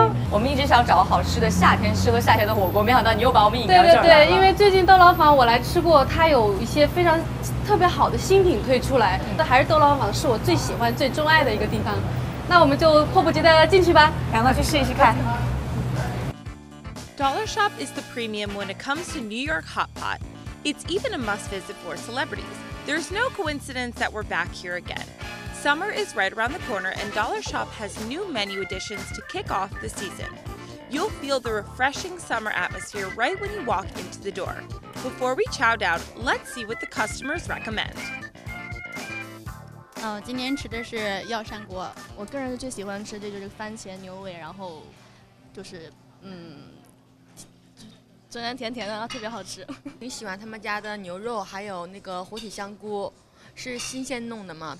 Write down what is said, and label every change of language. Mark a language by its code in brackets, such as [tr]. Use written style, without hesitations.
[zh] 我们一直想找好吃的夏天适合夏天的火锅，没想到你又把我们引到这儿来了。对对对，因为最近豆老坊我来吃过，它有一些非常特别好的新品推出来，但还是豆老坊是我最喜欢最钟爱的一个地方，那我们就迫不及待的进去吧，赶快去试一试看。 [en] Dollar Shop is the premium when it comes to New York Hotpot. It's even a must visit for celebrities. There's no coincidence that we're back here again. Summer is right around the corner and Dollar Shop has new menu additions to kick off the season. You'll feel the refreshing summer atmosphere right when you walk into the door. Before we chow down, let's see what the customers recommend. [zh] 今天吃的是药膳锅，我个人最喜欢吃的就是番茄牛尾，然后就是酸酸甜甜的，特别好吃。你喜欢他们家的牛肉，还有那个活体香菇，是新鲜弄的吗？